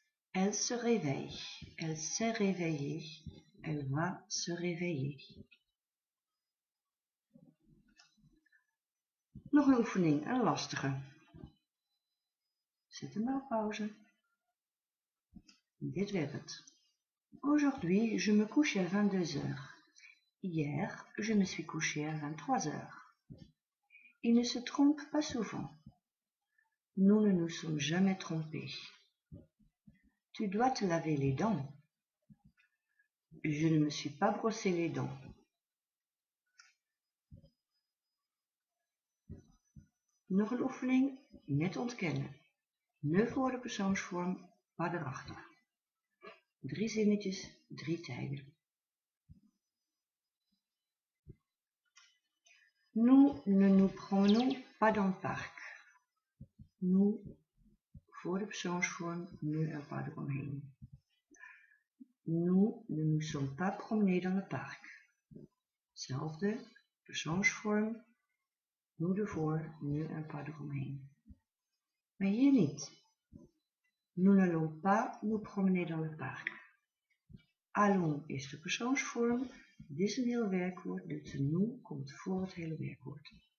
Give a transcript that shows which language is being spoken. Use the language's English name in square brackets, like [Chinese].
[French] Elle se réveille, elle s'est réveillée, elle va se réveiller. [Dutch] Nog een oefening, een lastige. Zet hem maar op pauze. Dit werd het. [French] Aujourd'hui, je me couche à 22 heures. Hier, je me suis couché à 23 heures. Il ne se trompe pas souvent. Nous ne nous sommes jamais trompés. Tu dois te laver les dents. Je ne me suis pas brossé les dents. [Dutch] Nog een oefening met ontkennen. Ne voor de persoonsvorm, maar erachter. Drie zinnetjes, drie tijden. [French] Nous ne nous promenons pas dans le parc. Nous, [Dutch] voor de persoonsvorm, nu er pas eromheen. [French] Nous ne nous sommes pas promenés dans le parc. [Dutch] Zelfde, persoonsvorm. Nous ervoor, nu een paar eromheen. Maar hier niet. [French] Nous n'allons pas nous promener dans le parc. [Dutch] Allons is de persoonsvorm. Dit is een heel werkwoord. Dus de nous komt voor het hele werkwoord.